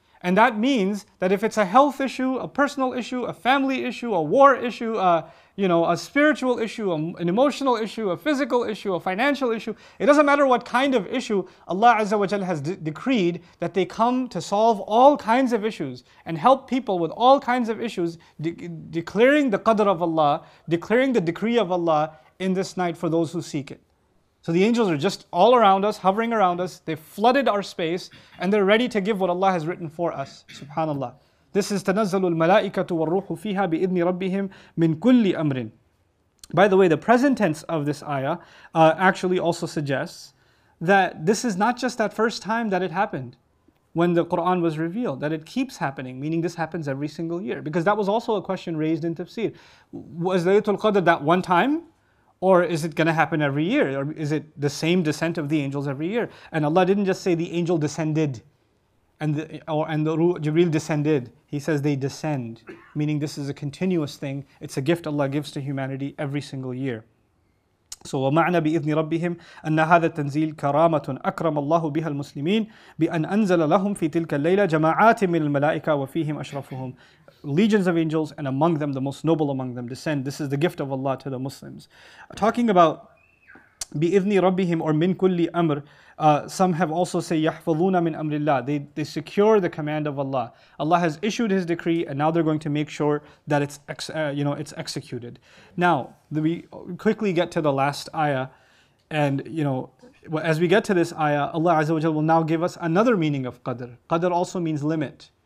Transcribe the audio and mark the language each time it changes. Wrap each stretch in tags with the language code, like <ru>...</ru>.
<en>And that means that if it's a health issue, a personal issue, a family issue, a war issue, you know, a spiritual issue, an emotional issue, a physical issue, a financial issue, it doesn't matter what kind of issue, Allah Azza wa Jalla has decreed that they come to solve all kinds of issues and help people with all kinds of issues, declaring the qadr of Allah, declaring the decree of Allah in this night for those who seek it. So the angels are just all around us, hovering around us, they've flooded our space, and they're ready to give what Allah has written for us, subhanAllah. This is</en> <ar>تَنَزَّلُ الْمَلَائِكَةُ وَالْرُوحُ فِيهَا بِإِذْنِ رَبِّهِمْ مِنْ كُلِّ أَمْرٍ.</ar> <en>By the way, the present tense of this ayah actually also suggests that this is not just that first time that it happened when the Qur'an was revealed, that it keeps happening, meaning this happens every single year. Because that was also a question raised in tafsir. Was Laylatul Qadr that one time? Or is it going to happen every year? Or is it the same descent of the angels every year? And Allah didn't just say the angel descended, and the Ruh Jibreel descended. He says they descend, meaning this is a continuous thing. It's a gift Allah gives to humanity every single year.</en> <ar>So ومعنى بإذن ربهم أن هذا التنزيل كرامة أكرم الله بها المسلمين بأن أنزل لهم في تلك الليلة جماعات من الملائكة وفيهم أشرفهم.</ar> <en>Legions of angels, and among them, the most noble among them, descend. This is the gift of Allah to the Muslims. Talking about</en> <ar>بِإِذْنِ رَبِّهِمْ</ar> <en>or</en> <ar>مِنْ كُلِّ أَمْرٍ,</ar> <en>some have also say</en> <ar>يَحْفَظُونَ مِنْ أَمْرِ اللَّهِ.</ar> <en>They secure the command of Allah. Allah has issued His decree, and now they're going to make sure that it's executed. Now, we quickly get to the last ayah, and you know, as we get to this ayah, Allah Azza wa Jalla will now give us another meaning of Qadr. Qadr also means limit.</en>